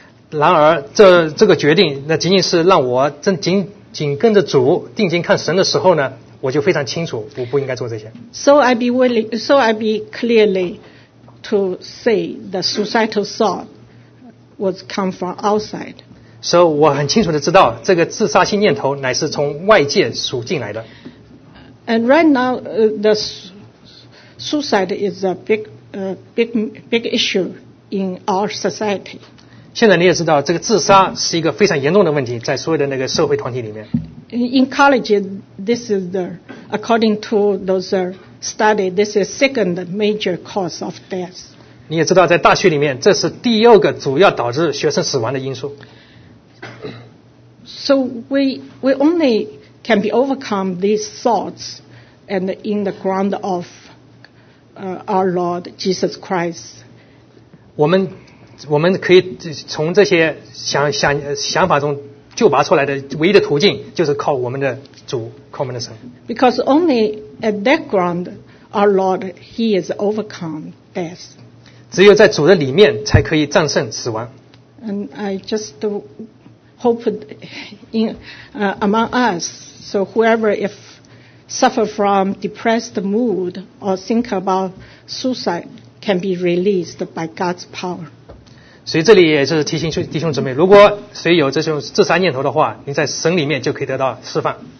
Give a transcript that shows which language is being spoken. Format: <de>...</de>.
<zh>然而这个决定，那仅仅是让我紧跟着主定睛看神的时候呢，我就非常清楚我不应该做这些。</zh> <en>So I be clearly to say the suicidal thought was come from outside.</en> <zh>So 我很清楚的知道这个自杀性念头乃是从外界数进来的。</zh> <en>And right now, the suicide is a big issue in our society.</en> <zh>现在你也知道这个自杀是一个非常严重的问题，在所有的那个社会团体里面。</zh> <en>In college, this is the, according to those studies, this is second major cause of death.</en> <zh>你也知道在大学里面，这是第二个主要导致学生死亡的因素。</zh> <en>So we only can be overcome these thoughts and in the ground of our Lord Jesus Christ.</en> <zh>我们可以从这些 想法中救拔出来的唯一的途径就是靠我们的主，靠我们的神。</zh> <en>Because only at that ground, our Lord, He is overcome death.</en> <zh>只有在主的里面才可以战胜死亡。</zh> <en>And I just hope in among us, so whoever if suffer from depressed mood or think about suicide can be released by God's power.</en> <zh>所以这里也是提醒弟兄姊妹，如果谁有这种自杀念头的话，你在神里面就可以得到释放。</zh>